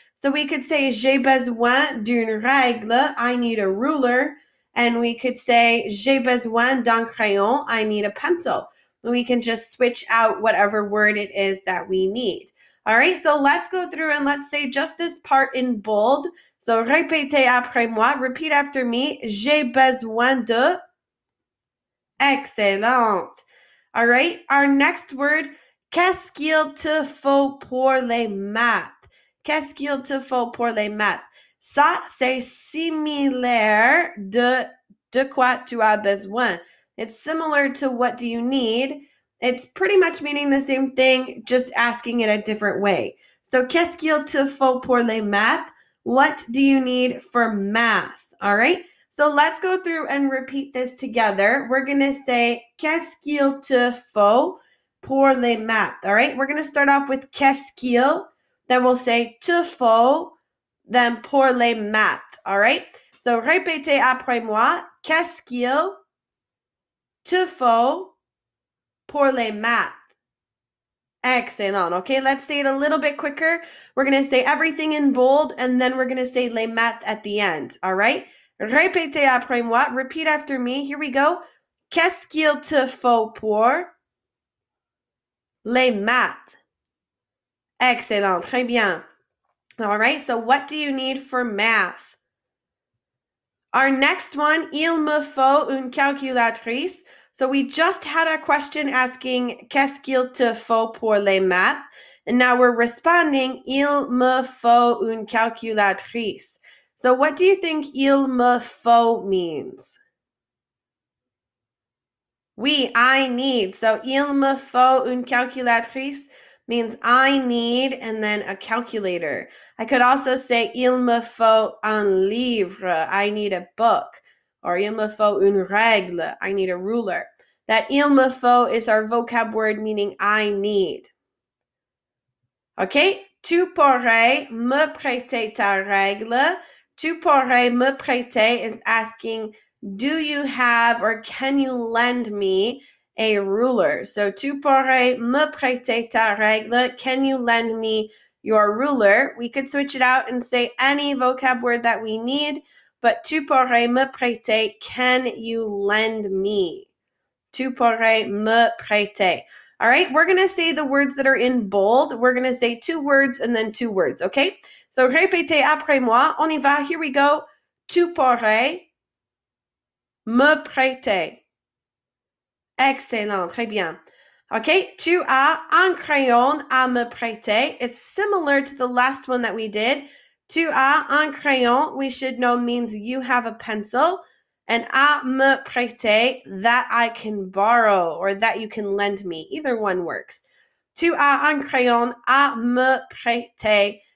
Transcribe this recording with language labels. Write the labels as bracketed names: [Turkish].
[English] So we could say [French] j'ai besoin d'une règle, [English] I need a ruler. And we could say [French] j'ai besoin d'un crayon, [English] I need a pencil. We can just switch out whatever word it is that we need. All right, so let's go through and let's say just this part in bold. [French] So répétez après moi, [English] repeat after me, [French] j'ai besoin de. [English] Excellent. All right, our next word, [French] qu'est-ce qu'il te faut pour les maths? Qu'est-ce qu'il te faut pour les maths? Ça, c'est similaire de quoi tu as besoin. [English] It's similar to what do you need. It's pretty much meaning the same thing, just asking it a different way. [French] So, qu'est-ce qu'il te faut pour les maths? [English] What do you need for math? All right. So let's go through and repeat this together. We're going to say, [French] qu'est-ce qu'il te faut pour les maths? [English] All right, we're going to start off with [French] qu'est-ce qu'il, [English] then we'll say [French] te faut, [English] then [French] pour les maths. [English] All right, so [French] répétez après moi, qu'est-ce qu'il te faut pour les maths? [English] Excellent. Okay, let's say it a little bit quicker. We're going to say everything in bold, and then we're going to say [French] les maths [English] at the end. All right. [French] Répétez après moi. [English] Repeat after me. Here we go. [French] Qu'est-ce qu'il te faut pour les maths? [English] Excellent. [French] Très bien. [English] All right. So what do you need for math? Our next one, [French] il me faut une calculatrice. [English] So we just had a question asking [French] qu'est-ce qu'il te faut pour les maths? [English] And now we're responding, [French] il me faut une calculatrice. [English] So what do you think [French] il me faut [English] means? I need. So [French] il me faut une calculatrice [English] means I need and then a calculator. I could also say [French] il me faut un livre, [English] I need a book. Or [French] il me faut une règle, [English] I need a ruler. That [French] il me faut [English] is our vocab word meaning I need. [French] Okay, tu pourrais me prêter ta règle. Tu pourrais me prêter [English] is asking, do you have or can you lend me a ruler? So [French] tu pourrais me prêter ta règle, [English] can you lend me your ruler? We could switch it out and say any vocab word that we need, but [French] tu pourrais me prêter, [English] can you lend me? [French] Tu pourrais me prêter. [English] All right, we're gonna say the words that are in bold. We're gonna say two words and then two words, okay? So [French] répétez après moi, on y va, [English] here we go. [French] Tu pourrais me prêter. Excellent, très bien. Okay, tu as un crayon à me prêter. [English] It's similar to the last one that we did. [French] Tu as un crayon, [English] we should know means you have a pencil. And [French] à me prêter, [English] that I can borrow or that you can lend me. Either one works. [French] Tu as un crayon à me prêter.